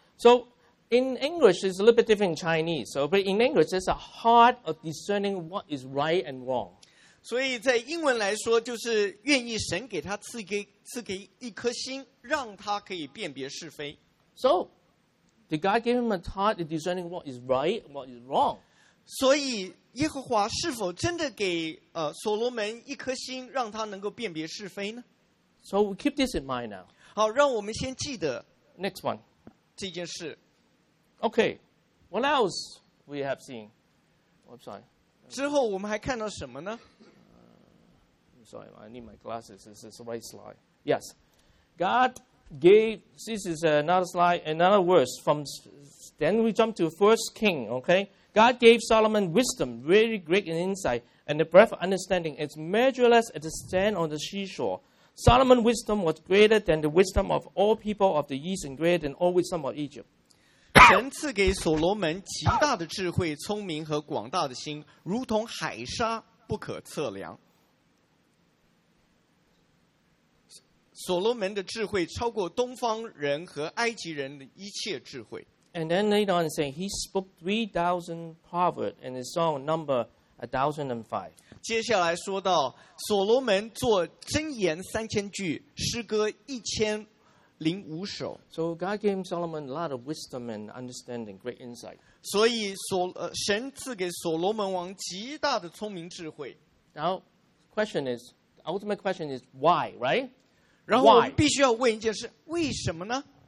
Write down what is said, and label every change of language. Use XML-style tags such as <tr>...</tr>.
<en>So in English it's a little bit different in Chinese. So, but in English it's a heart of discerning what is right and wrong.</en> <zh>所以在英文来说就是愿意神给他赐给一颗心，让他可以辨别是非。</zh> <en>So did God give him a heart of discerning what is right and what is wrong?</en> <zh>所以耶和华是否真的给所罗门一颗心，让他能够辨别是非呢？</zh> <en>So we keep this in mind now.</en> <zh>好，让我们先记得</zh> <en>next one</en> <zh>这件事。</zh> <en>Okay, what else we have seen? I'm sorry.</en> <zh>之后我们还看到什么呢？</zh> <en>Sorry, I need my glasses. This is the right slide. Yes, God gave. This is another slide, another verse from. Then we jump to First King. Okay. God gave Solomon wisdom, very great in insight, and the breadth of understanding is measureless as the sand on the seashore. Solomon's wisdom was greater than the wisdom of all people of the east and greater than all wisdom of Egypt.</en> <zh>神赐给所罗门极大的智慧、聪明和广大的心，如同海沙不可测量。所罗门的智慧超过东方人和埃及人的一切智慧。</zh> <en>And then later on saying he spoke 3,000 proverbs and his song number 1,005.</en> <zh>接下来说到所罗门作箴言3000句，诗歌1005首。</zh> <en>So God gave Solomon a lot of wisdom and understanding, great insight.</en> <zh>所以神赐给所罗门王极大的聪明智慧。</zh> <en>Now, the ultimate question is why, right?</en> <zh>然后我们必须要问一件事，为什么呢？</zh>